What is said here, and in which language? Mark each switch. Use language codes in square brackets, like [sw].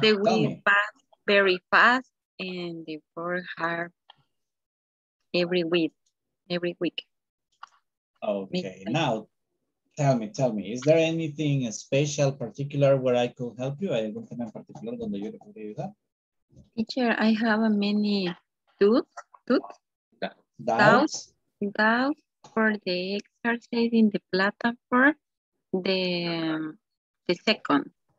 [en] the week passed very fast and the work hard every week. Okay, now. Tell me, is there anything special, particular, where I could help you? [es] ¿Algún tema en particular donde yo te podría ayudar? [en] Teacher, I have a many doubts for the exercise in the platform, the second.